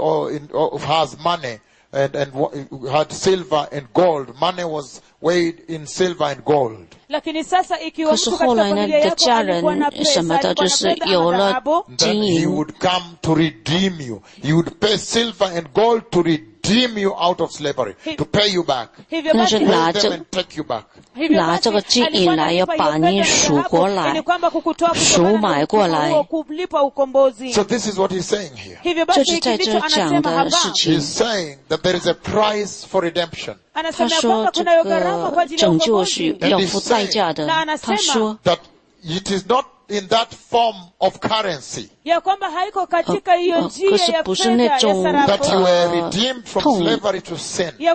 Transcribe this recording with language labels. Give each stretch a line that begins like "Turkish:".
Chinese: 他们借了钱没有还债，那也有一个还的方式。如果你借了人家的钱没有还债，那如果还的办法就是你成为人家的奴才。
English: And had silver and gold. Money was weighed in silver and gold.
Chinese: 可是后来呢，你的家人什么的，就是有了金银。
English: Then he would come to redeem you. He would pay silver and gold to redeem you out of slavery, to pay you back.
Chinese: 那是拿着金银来要把你赎回来，赎买过来。
English: So this is what he's saying here.
Chinese: 这是在这讲的事情。
English: He's saying that there is a price for redemption.
Chinese: 他说这个拯救是要付代价的。他说
English: that it is not in that form of currency.
Chinese: 可是不是那种
English: that you were redeemed from slavery to sin.